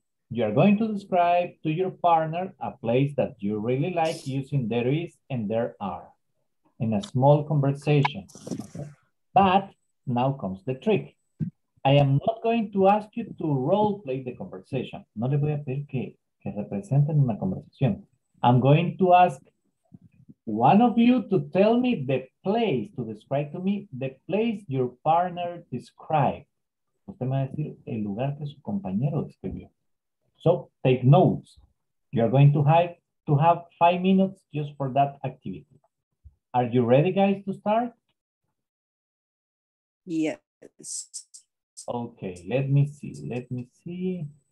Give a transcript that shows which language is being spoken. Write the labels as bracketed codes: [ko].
[en] You're going to describe to your partner a place that you really like using there is and there are in a small conversation. Okay? But now comes the trick. I am not going to ask you to role play the conversation. [es] No le voy a pedir que representen una conversación. [en] I'm going to ask one of you to tell me the place, to describe to me the place your partner described. [es] Usted me va a decir el lugar que su compañero describió. [en] So take notes. You are going to have 5 minutes just for that activity. Are you ready, guys, to start? Yes. Okay, let me see.